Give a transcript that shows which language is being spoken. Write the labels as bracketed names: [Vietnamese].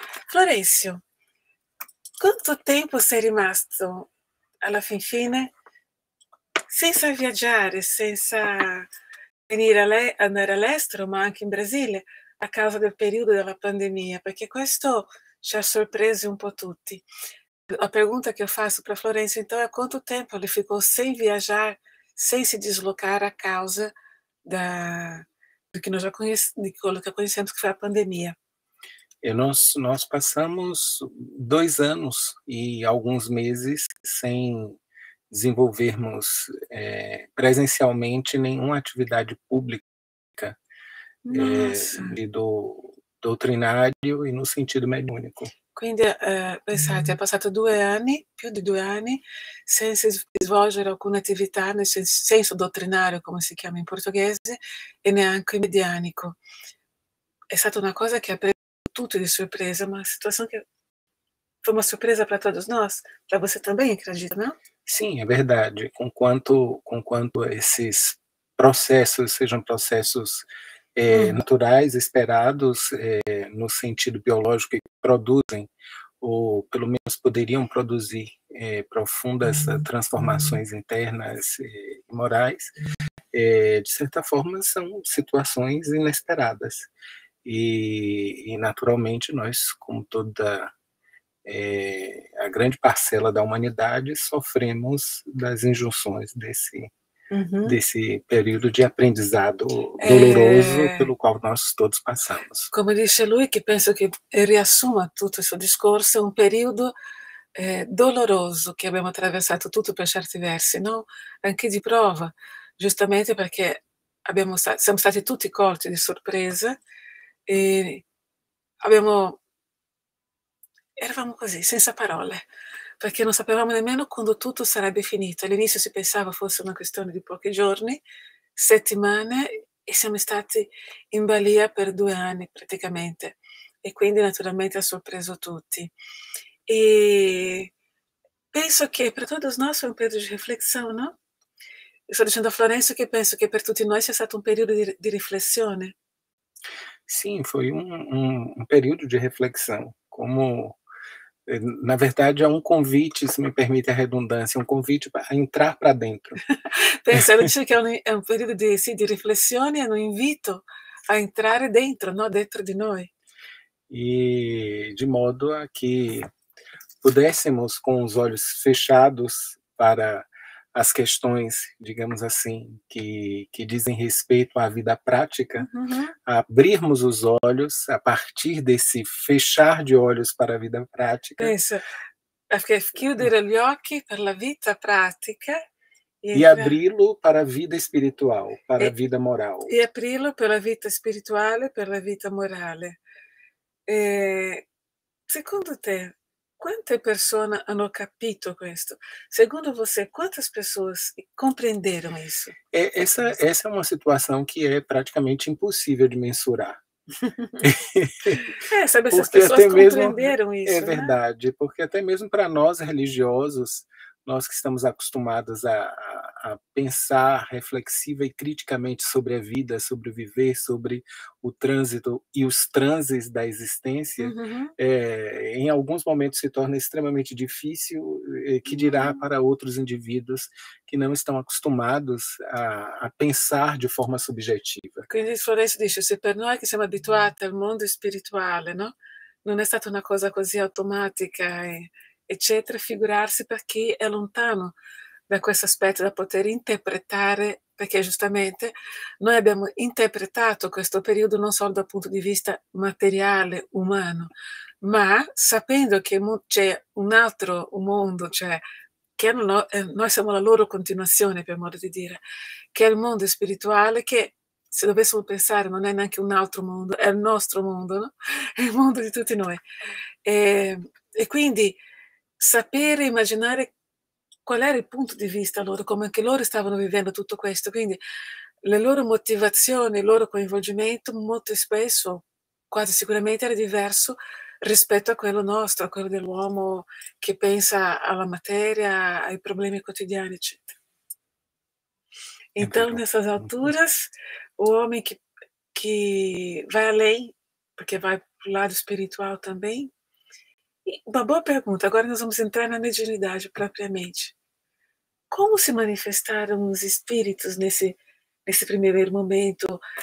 [Italian] Florencio, quanto tempo sei rimasto alla fin fine senza viaggiare, senza venire andare all'estero, ma anche in Brasile, a causa del periodo della pandemia, perché questo ci ha sorpreso un po' tutti. [Portuguese] La pergunta [Italian] che io faccio per [Portuguese] Florenzo, então, [Italian] è quanto tempo lui [Portuguese] ficou sem viajar, sem se deslocare a causa do que nós já conhecemos, de [Italian] quello che [Portuguese] conhecemos que foi a pandemia. E nós passamos 2 anos e alguns meses sem desenvolvermos presencialmente nenhuma atividade pública Nossa! de doutrinário e no sentido mediúnico. [Italian] Quindi, pensate, è passato 2 anni, più di 2 anni, senza svolgere alcuna attività, nel senso dottrinario, come si chiama in portoghese, e neanche in medianico. È stata una cosa che ha preso tutti di sorpresa, ma una situazione che fu una sorpresa [Portuguese] para todos nós, para você também, acredito, no? Sim, é verdade. Conquanto esses processos sejam processos naturais, esperados no sentido biológico que produzem, ou pelo menos poderiam produzir profundas transformações internas e morais, de certa forma são situações inesperadas. E naturalmente nós, como toda a grande parcela da humanidade sofremos das injunções desse período de aprendizado doloroso pelo qual nós todos passamos. Como disse [Italian] lui, que penso que riassuma tutto il suo discorso, è un periodo doloroso che abbiamo attraversato tutto per certi versi, no? Anche di prova, giustamente perché siamo stati tutti colti di sorpresa e eravamo così, senza parole, perché non sapevamo nemmeno quando tutto sarebbe finito. All'inizio si pensava fosse una questione di pochi giorni, settimane, e siamo stati in balia per 2 anni praticamente. E quindi naturalmente ha sorpreso tutti. E penso che per tutti noi sia un periodo di riflessione, no? Sto dicendo a Florenzo che penso che per tutti noi sia stato un periodo di riflessione. [Portuguese] Sim, foi um período de reflexão, como, na verdade, é um convite, se me permite a redundância, um convite para entrar para dentro. [Italian] Pensa, dice che è un periodo di riflessione, è un invito a entrare dentro, no? Dentro di noi. [Portuguese] E de modo a que pudéssemos, com os olhos fechados para as questões, digamos assim, que dizem respeito à vida prática, abrirmos os olhos a partir desse fechar de olhos para a vida prática [Italian] Pensa, perché chiudere gli occhi per la vita pratica [Portuguese] e abri-lo para a vida espiritual, para a vida moral. [Italian] e aprirlo per la vita spirituale, per la vita morale. E secondo te, Quante persone hanno capito questo? [Portuguese] Secondo você, quantas pessoas compreenderam isso? Essa é uma situação que é praticamente impossível de mensurar. É, sabe, essas Porque pessoas até mesmo, compreenderam é isso, né? verdade, porque até mesmo para nós religiosos, nós que estamos acostumados a pensar reflexiva e criticamente sobre a vida, sobre o viver, sobre o trânsito e os transes da existência, em alguns momentos se torna extremamente difícil, que dirá para outros indivíduos que não estão acostumados a pensar de forma subjetiva. [Italian] Quindi Florencio dice, se per noi che siamo abituati al mondo spirituale, no? Non è stata una cosa così automatica, eccetera, figurarsi per chi è lontano da questo aspetto, da poter interpretare, perché giustamente noi abbiamo interpretato questo periodo non solo dal punto di vista materiale, umano, ma sapendo che c'è un altro mondo, cioè che no, noi siamo la loro continuazione, per modo di dire, che è il mondo spirituale che, se dovessimo pensare, non è neanche un altro mondo, è il nostro mondo, no? È il mondo di tutti noi. E quindi sapere, immaginare qual era il punto di vista loro, come anche loro stavano vivendo tutto questo. Quindi le loro motivazioni, il loro coinvolgimento, molto spesso, quasi sicuramente, era diverso rispetto a quello nostro, a quello dell'uomo che pensa alla materia, ai problemi quotidiani, eccetera. È [Portuguese] Então, [Italian] vero. [Portuguese] nessas alturas, o homem que vai além, porque vai para o lado espiritual também. E uma boa pergunta, agora nós vamos entrar na mediunidade propriamente. Como se manifestaram os espíritos nesse primeiro momento?